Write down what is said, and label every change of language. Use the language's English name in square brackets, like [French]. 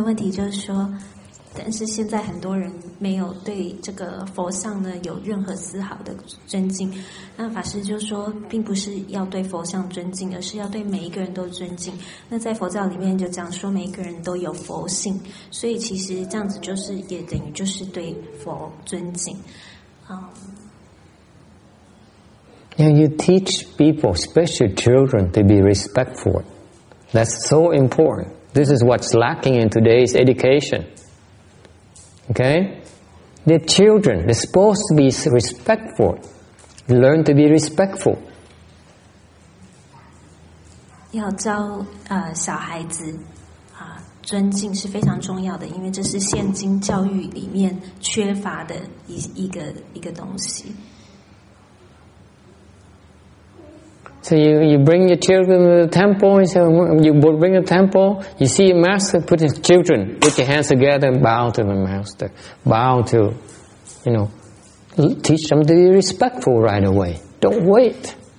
[Chinese] 就是说，但是现在很多人没有对这个佛像呢有任何丝毫的尊敬。那法师就说，并不是要对佛像尊敬，而是要对每一个人都尊敬。那在佛教里面就讲说，每一个人都有佛性，所以其实这样子就是也等于就是对佛尊敬。 [English] Yeah, you teach people, especially children, to be respectful. That's so important. This is what's lacking in today's education. Okay? They're children. They're supposed to be respectful. Learn to be respectful. [Chinese] 要教小孩子尊敬是非常重要的，因为这是现今教育里面缺乏的一个东西。 [English] So you bring your children to the temple, you say, you bring a temple, you see a master, put his children, put your hands together and bow to the master. Bow to, you know, teach them to be respectful right away. Don't wait.